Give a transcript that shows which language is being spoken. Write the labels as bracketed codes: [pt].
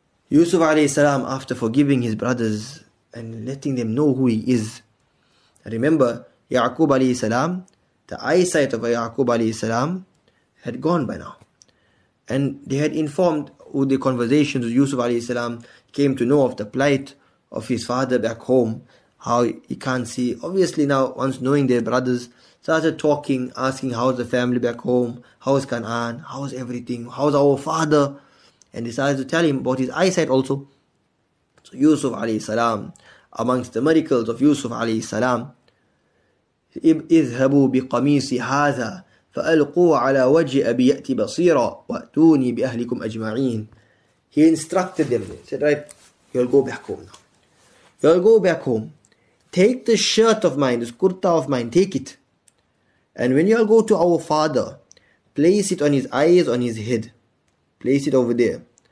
[en] يوسف عليه السلام, after forgiving his brothers and letting them know who he is, remember يعقوب عليه السلام, the eyesight of يعقوب عليه السلام had gone by now, and they had informed with the conversations with Yusuf عليه السلام, came to know of the plight of his father back home, how he can't see. Obviously now, once knowing their brothers, started talking, asking how's the family back home, how's Canaan, how's everything, how's our father, and decided to tell him about his eyesight also. So Yusuf عليه السلام, [ar] amongst the miracles of Yusuf عليه السلام, اذهبوا بقميص هذا فألقوه على وجه أبي يأتي بصيرا وأتوني بأهلكم أجمعين. [en] He instructed them, said, right, you'll go back home now. You'll go back home. Take the shirt of mine, this kurta of mine, take it. And when you'll go to our father, place it on his eyes, on his head. Place it over there.